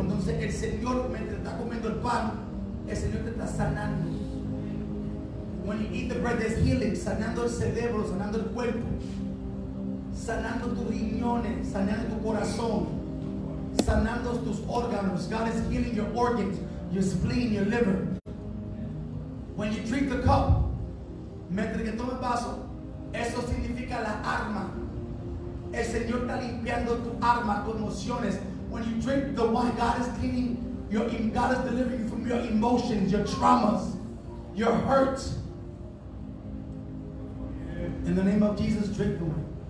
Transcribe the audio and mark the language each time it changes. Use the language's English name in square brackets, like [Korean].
[Spanish] Entonces el Señor, mientras está comiendo el pan, el Señor te está sanando. [English] When you eat the bread, there's healing, [Spanish] sanando el cerebro, sanando el cuerpo. sanando tus riñones, sanando tu corazón, sanando tus órganos. [English] God is healing your organs, your spleen, your liver. When you drink the cup, [Spanish] mientras que tomes vaso, eso significa la arma. El Señor está limpiando tu arma, tus emociones. [English] When you drink the wine, God is cleaning your, God is delivering you from your emotions, your traumas, your hurts. In the name of Jesus, drink the wine.